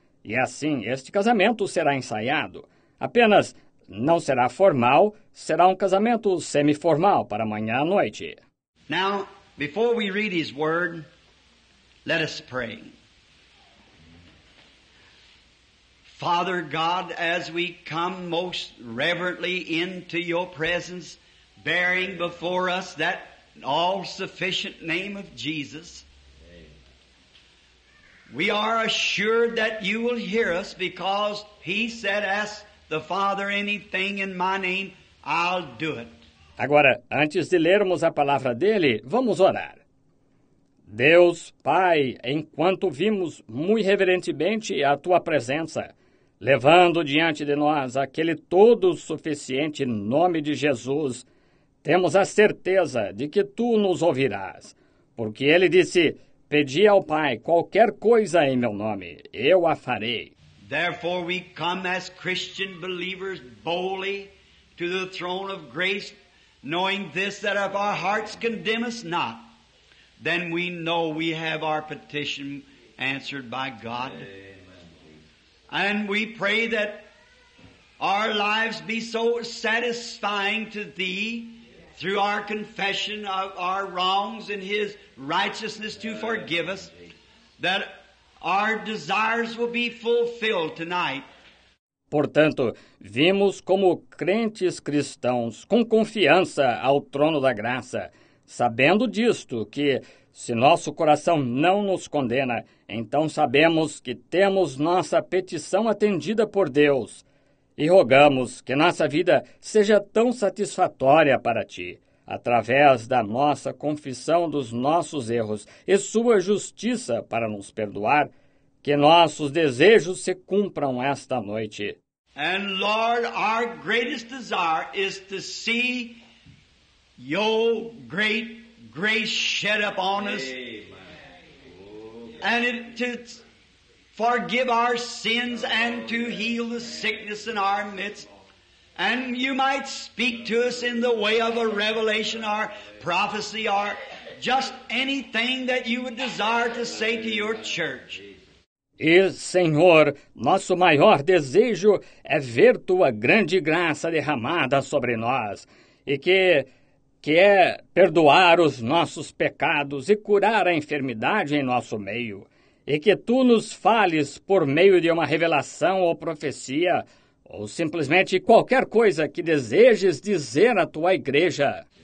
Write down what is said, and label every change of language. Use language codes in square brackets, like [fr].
[pt] E assim, este casamento será ensaiado. Apenas não será formal, será um casamento semi-formal para amanhã à noite. [en] Now, before we read his word, let us pray. Father God, as we come most reverently into your presence, bearing before us that all-sufficient name of Jesus, we are assured that you will hear us because he said, ask the Father anything in my name, I'll do it. [pt] Agora, antes de lermos a palavra dele, vamos orar. Deus, Pai, enquanto vimos muito reverentemente a tua presença, levando diante de nós aquele todo suficiente nome de Jesus, temos a certeza de que tu nos ouvirás, porque ele disse, pedi ao Pai qualquer coisa em meu nome, eu a farei. [en] Therefore we come as Christian believers boldly to the throne of grace, knowing this, that if our hearts condemn us not, then we know we have our petition answered by God. And we pray that our lives be so satisfying to thee through our confession of our wrongs and his righteousness to forgive us, that our desires will be fulfilled tonight. [pt] Portanto, vimos como crentes cristãos com confiança ao trono da graça, sabendo disto que se nosso coração não nos condena, então sabemos que temos nossa petição atendida por Deus. E rogamos que nossa vida seja tão satisfatória para ti, através da nossa confissão dos nossos erros e sua justiça para nos perdoar, que nossos desejos se cumpram esta noite. [en] And Lord, our greatest desire is to see your great grace shed upon us. Amen. And to forgive our sins and to heal the sickness in our midst. And you might speak to us in the way of a revelation or prophecy or just anything that you would desire to say to your church. [pt] E, Senhor, nosso maior desejo é ver tua grande graça derramada sobre nós e que que é perdoar os nossos pecados e curar a enfermidade em nosso meio, e que tu nos fales por meio de uma revelação ou profecia, ou simplesmente qualquer coisa que desejes dizer à tua igreja.